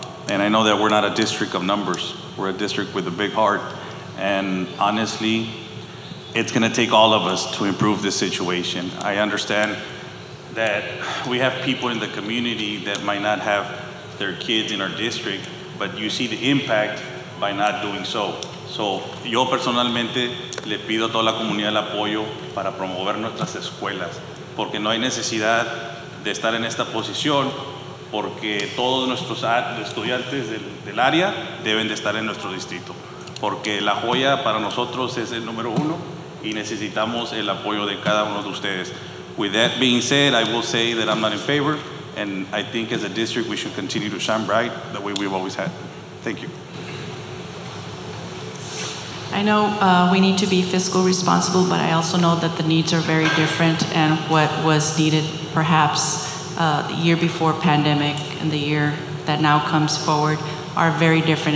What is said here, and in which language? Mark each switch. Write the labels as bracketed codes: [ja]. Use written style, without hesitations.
[en] And I know that we're not a district of numbers. We're a district with a big heart. And honestly, it's going to take all of us to improve this situation. I understand that we have people in the community that might not have their kids in our district, but you see the impact by not doing so. [es] So, yo personalmente le pido a toda la comunidad el apoyo para promover nuestras escuelas, porque no hay necesidad de estar en esta posición, porque todos nuestros estudiantes del área deben de estar en nuestro distrito, porque La Jolla para nosotros es el número uno y necesitamos el apoyo de cada uno de ustedes. [en] With that being said, I will say that I'm not in favor, and I think as a district we should continue to shine bright the way we've always had. Thank you. I know we need to be fiscal responsible, but I also know that the needs are very different and what was needed perhaps the year before pandemic and the year that now comes forward are very different.